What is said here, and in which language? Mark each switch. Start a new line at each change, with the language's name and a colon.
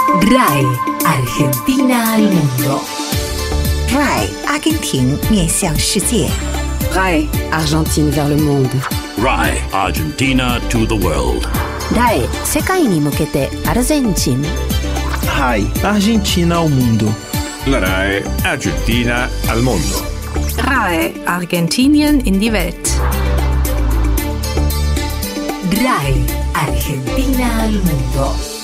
Spanish: RAI, Argentina al mundo.
Chinese: RAI, Argentina 面向世界。
French: RAI, Argentina vers le monde.
English: RAI, Argentina to the world.
Japanese: RAI, 世界に向けてアルゼンチン。
Spanish: RAI, Argentina al mundo. RAI, Argentina al mundo.
German: RAI, Argentinian in die Welt.
Spanish: RAI, Argentina al mundo.